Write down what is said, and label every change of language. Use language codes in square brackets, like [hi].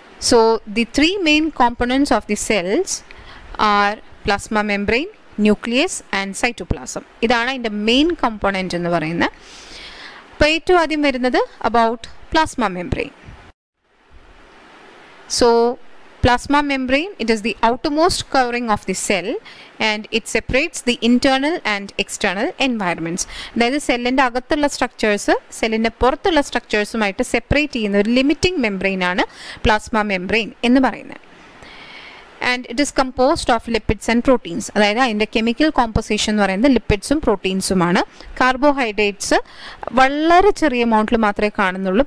[en] So the three main components of the cells are plasma membrane, nucleus and cytoplasm. [ml] ഇതാണ് അതിൻ്റെ main component എന്ന് പറയുന്നത്. അപ്പോൾ ഏറ്റവും ആദ്യം വരുന്നത് about plasma membrane. So [en] Plasma membrane, it is the outermost covering of the cell and it separates the internal and external environments. [ml] അതായത് സെല്ലിൻ്റെ അകത്തുള്ള സ്ട്രക്ചേഴ്സ് സെല്ലിൻ്റെ പുറത്തുള്ള സ്ട്രക്ചേഴ്സുമായിട്ട് സെപ്പറേറ്റ് ചെയ്യുന്ന ഒരു ലിമിറ്റിംഗ് മെംബ്രെയിൻ ആണ് പ്ലാസ്മ മെംബ്രെയിൻ എന്ന് പറയുന്നത്. [en] And it is composed of lipids and proteins. [ml] അതായത് അതിൻ്റെ കെമിക്കൽ കോമ്പോസിഷൻ എന്ന് പറയുന്നത് ലിപ്പിഡ്സും പ്രോട്ടീൻസുമാണ്. കാർബോഹൈഡ്രേറ്റ്സ് വളരെ ചെറിയ എമൗണ്ടിൽ മാത്രമേ കാണുന്നുള്ളൂ.